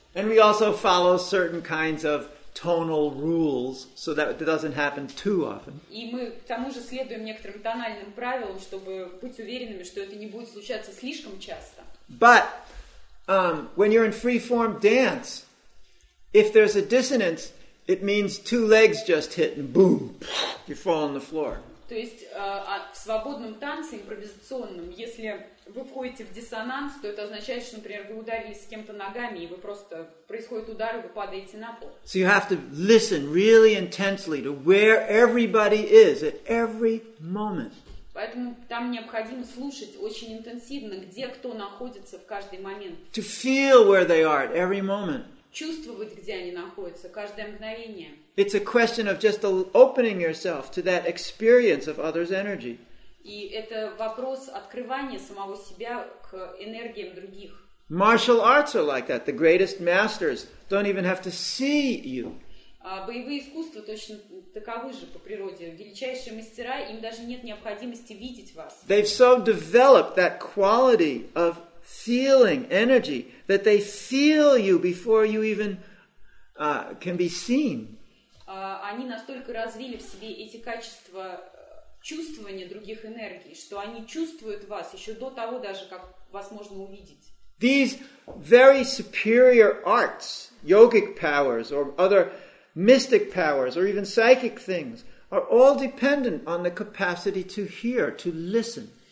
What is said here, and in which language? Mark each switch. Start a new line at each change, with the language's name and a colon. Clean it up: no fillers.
English: And we also follow certain kinds of tonal rules, so that it doesn't happen too often.
Russian: И мы к тому же следуем некоторым тональным правилам, чтобы быть уверенными, что это не будет случаться слишком часто.
English: But when you're in free-form dance, if there's a dissonance, it means two legs just hit and boom, you fall on the floor.
Russian: То есть в свободном танце импровизационном, если вы входите в диссонанс, то это означает, что, например, вы ударились с кем-то ногами, и вы просто происходит удар, и вы падаете на пол.
English: So you have to listen really intensely to where everybody is at every moment.
Russian: Поэтому там необходимо слушать очень интенсивно, где кто находится в каждый момент.
English: To feel where they are at every moment.
Russian: Чувствовать, где они находятся, каждое мгновение.
English: It's a question of just opening yourself to that experience of others' energy.
Russian: И это вопрос открывания самого себя к энергиям других.
English: Martial arts are like that. The greatest masters don't even have to see you.
Russian: Боевые искусства точно таковы же по природе. Величайшие мастера, им даже нет необходимости видеть вас.
English: They've so developed that quality of feeling energy that they feel you before you even can be seen.
Russian: Они настолько развили в себе эти качества чувствования других энергий, что они чувствуют вас еще до того, даже как вас можно увидеть.
English: These very superior arts, yogic powers or other mystic powers or even psychic things are all dependent on the capacity to hear, to listen.